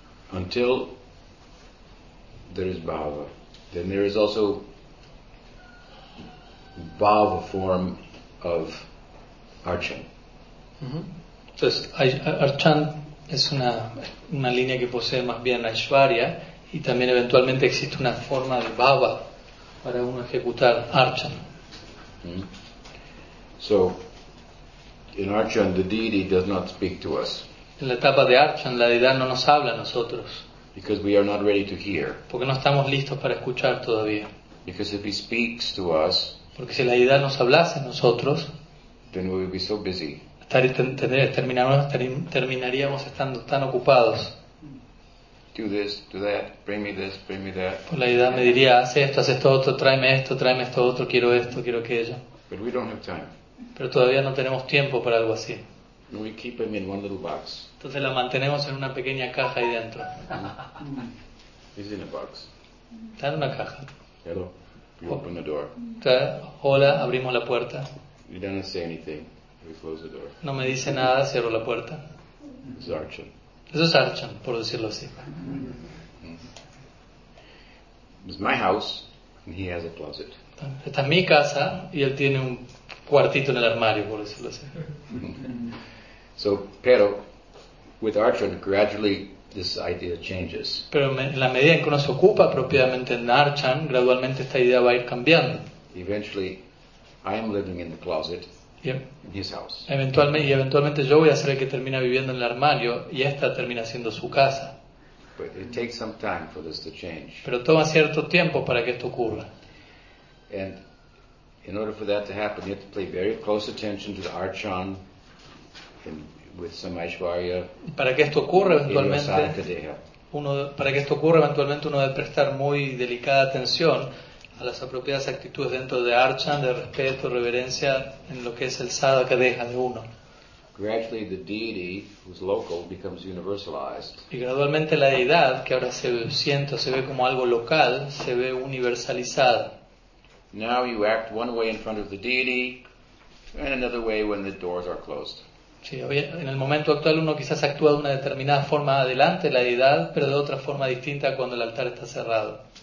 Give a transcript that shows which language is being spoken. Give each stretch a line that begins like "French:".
English: Until there is Bhava, then there is also Bhava form of Archan.
Spanish: Entonces, Archan es una línea que posee más bien Aishwarya, y también eventualmente existe una forma de Bhava para uno ejecutar Archan.
English: So, in Archan, the deity does not speak to us.
Spanish: En la etapa de Archan, la deidad no nos habla a nosotros.
English: Because we are not ready to hear.
Spanish: Porque no estamos listos para escuchar todavía.
English: Because if he speaks to us,
Spanish: porque si la deidad nos hablase a nosotros,
English: then we would be so busy.
Spanish: Terminaríamos estando tan ocupados.
English: Do this, do that, bring me this, bring me that.
Spanish: Pues la deidad me diría, haz esto otro, tráeme esto otro, quiero esto, quiero aquello.
English: But we don't have time.
Spanish: Pero todavía no tenemos tiempo para algo así.
English: We keep him in one little box.
Spanish: Entonces la mantenemos en una pequeña caja ahí dentro.
English: He's in a box.
Spanish: Está en una caja.
English: Hello. You open the door.
Spanish: Hola, abrimos la puerta.
English: You don't say anything. We close the door.
Spanish: No me dice nada, cierro la puerta.
English: It's Archan.
Spanish: Eso es Archan, por decirlo así.
English: It's my house, and he has a closet.
Spanish: Esta es mi casa, y él tiene un cuartito en el armario, por decirlo así.
English: So, pero, with Archan, gradually this idea changes.
Spanish: Pero en la medida en que uno se ocupa propiamente en Archan, gradualmente esta idea va a ir cambiando.
English: Eventually, I am living in the closet, in his house.
Spanish: Eventualmente yo voy a ser el que termina viviendo en el armario, y esta termina siendo su casa.
English: But it takes some time for this to change.
Spanish: Pero toma cierto tiempo para que esto ocurra.
English: And in order for that to happen, you have to pay very close attention to the Archan. With some Aishwarya,
Spanish: para que esto ocurra eventualmente uno debe prestar muy delicada atención a las apropiadas actitudes dentro de Archan, de respeto, reverencia en lo que es el Sada Kadeha de uno.
English: Gradually the deity who's local becomes universalized.
Spanish: Y gradualmente la deidad que ahora se siente o se ve como algo local se ve universalizada.
English: Now you act one way in front of the deity and another way when the doors are closed.
Spanish: Sí, en el momento actual uno quizás actúa de una determinada forma adelante la deidad, pero de otra forma distinta cuando el altar está cerrado.